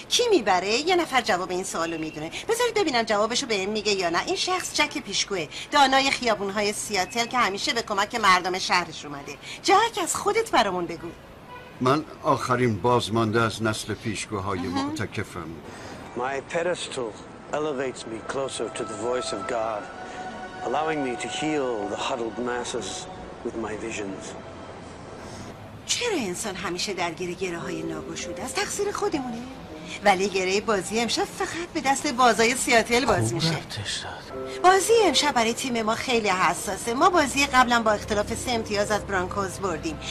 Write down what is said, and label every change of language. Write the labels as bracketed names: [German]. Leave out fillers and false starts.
[Persian] کی میبره؟ یه نفر جواب این سوالو میدونه. بذارید ببینم جوابشو به این میگه یا نه. این شخص جک پیشگوه، دانای خیابونهای سیاتل که همیشه به کمک مردم شهرش اومده. جک از خودت برامون بگو. من آخرین بازمانده از نسل پیشگوهای معتکفم. [English] My pedestal elevates me closer to the voice of God, allowing me to heal the huddled masses with my visions. [Persian] چرا انسان همیشه درگیر گره‌های ناگشوده است؟ تقصیر خودمونه. ولی گره بازی امشب فقط به دست بازای سیاتل باز میشه. بازی امشب برای تیم ما خیلی حساسه. ما بازی قبلا با اختلاف 3 امتیاز از برانکوز بردیم.